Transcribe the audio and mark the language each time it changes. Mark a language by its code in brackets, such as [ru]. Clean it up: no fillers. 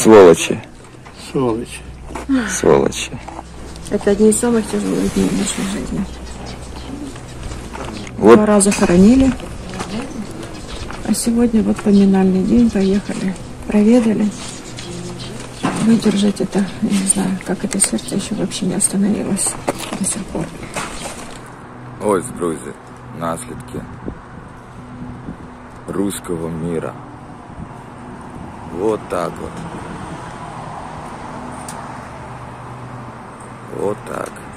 [uk] Сволочі. Сволочі. Сволочі. Це одні з самих тяжелих днів в нашій житті. Два рази хоронили, а сьогодні от поминальний день, поїхали, привідали. [ru] Выдержать это, я не знаю, как это сердце еще вообще не остановилось до сих пор. [uk] Ось, друзі, наслідки русского мира. [ru] Вот так вот. Вот так.